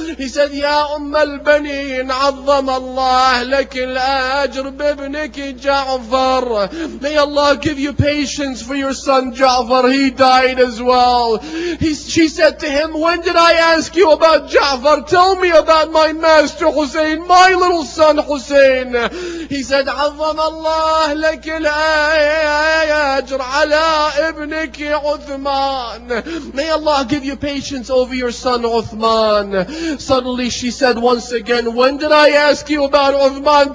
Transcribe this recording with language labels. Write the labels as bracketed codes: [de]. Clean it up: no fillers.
[en] He said, [ar] Ya Umm al-Baneen, azzam Allah lak al-ajr bibnik Ja'far. [en] May Allah give you patience for your son Ja'far. He died as well. She said to him, when did I ask you about Ja'far? Tell me about my master Hussein, my little son Hussein. He said, [ar] عظم الله لك الأجر على ابنك عثمان. [en] May Allah give you patience over your son Uthman. Suddenly she said once again, when did I ask you about Uthman?